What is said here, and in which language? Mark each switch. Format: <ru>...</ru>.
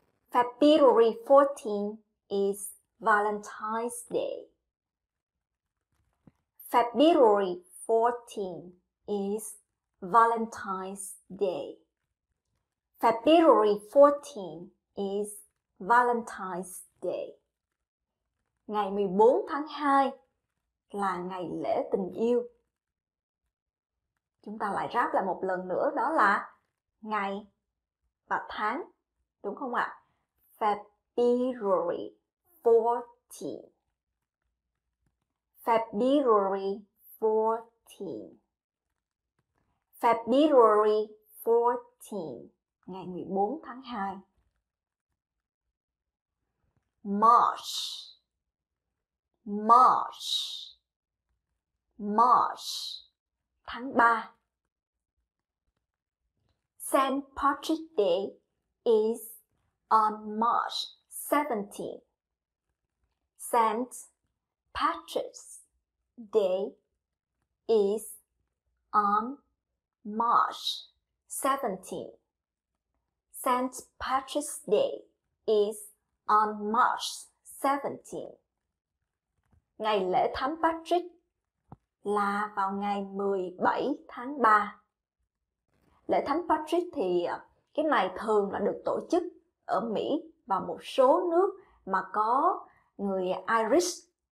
<en>February 14 is Valentine's Day. February 14 is Valentine's Day. February 14 is Valentine's Day.</en> <vi>Ngày 14 tháng 2 là ngày lễ tình yêu. Chúng ta lại ráp lại một lần nữa, đó là ngày và tháng, đúng không ạ?</vi> <en>February 14. February 14. fourteen. February 14,</en> <vi>ngày 14 tháng 2.</vi> <en>March, March, March,</en> <vi>tháng 3.</vi> <en>St. Patrick's Day is on March 17. St. Patrick's Day is on March 17. St. Patrick's Day is on March 17.</en> <vi>Ngày lễ Thánh Patrick là vào ngày 17 tháng 3. Lễ Thánh Patrick thì cái này thường là được tổ chức ở Mỹ và một số nước mà có người Irish.</vi>